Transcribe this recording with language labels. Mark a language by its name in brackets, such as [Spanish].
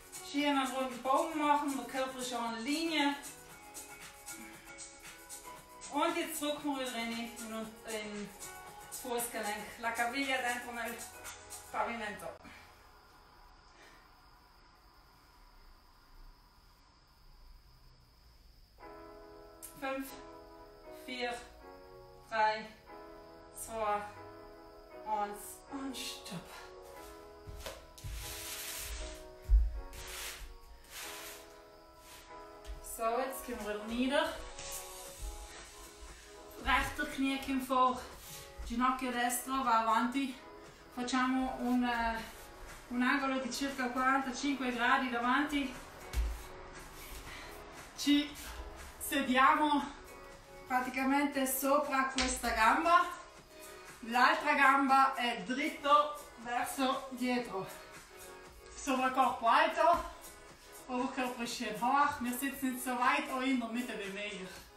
[German] Schieren einen runden Bogen machen, der Körper ist schon in der Linie. Und jetzt zurück mal rein in den Fußgelenk. [Italian] La caviglia dentro nel pavimento. [German] Fünf, vier, drei, zwei, eins und stopp. So, jetzt gehen wir nieder. Rechter Knie kommt vor. [Italian] Ginocchio destro va avanti. Facciamo un angolo di circa 45 gradi davanti. Ci sediamo praticamente sopra questa gamba. L'altra gamba è dritto verso dietro. Sovracorpo alto. [German] Oberkörper ist schön hoch, wir sitzen nicht so weit auch in der Mitte wie möglich.